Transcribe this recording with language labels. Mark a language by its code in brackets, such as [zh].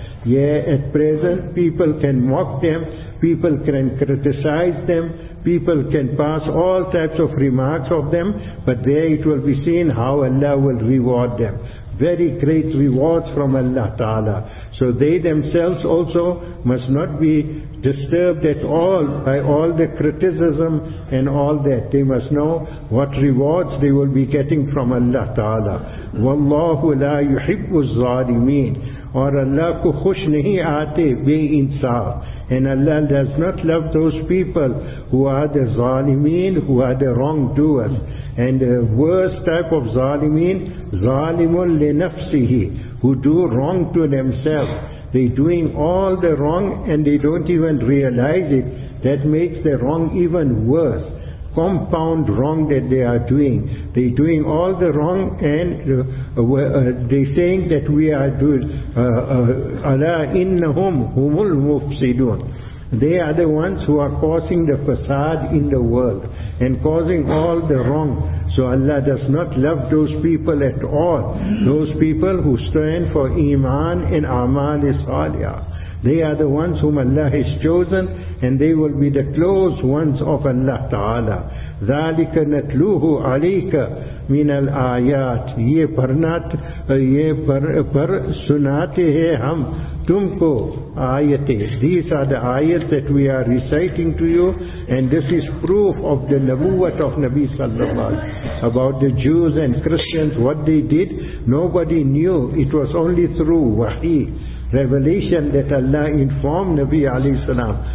[en] Yeah, at present people can mock them, people can criticize them, people can pass all types of remarks of them, but there it will be seen how Allah will reward them. Very great rewards from Allah Ta'ala. So they themselves also must not be disturbed at all by all the criticism and all that. They must know what rewards they will be getting from Allah Ta'ala. [ar] وَاللَّهُ لَا يُحِبُّ الظَّالِمِينَ, [ur] اور اللہ کو خوش نہیں آتے بے انصاف. [en] And Allah does not love those people who are the ظالمين, who are the wrongdoers. And the worst type of ظالمين, [ar] ظالمٌ لِنَفْسِهِ, [en] who do wrong to themselves. They doing all the wrong and they don't even realize it. That makes the wrong even worse. Compound wrong that they are doing. They doing all the wrong and they saying that we are doing. Allah [ar] innahum humul mufsidun. [en] They are the ones who are causing the fasad in the world and causing all the wrong. So Allah does not love those people at all. Those people who stand for Iman and Amal Salihah. They are the ones whom Allah has chosen, and they will be the close ones of Allah Ta'ala. [ar] ذَلِكَ نَتْلُوهُ عَلَيْكَ مِنَ الْآيَاتِ [ur] یہ پر سناتے ہیں ہم تم کو آیتیں. [en] These are the آیت that we are reciting to you, and this is proof of the نبوت of Nabi Sallallahu Alaihi Wasallam. About the Jews and Christians, what they did, nobody knew. It was only through wahi, revelation, that Allah informed Nabi alayhi salam.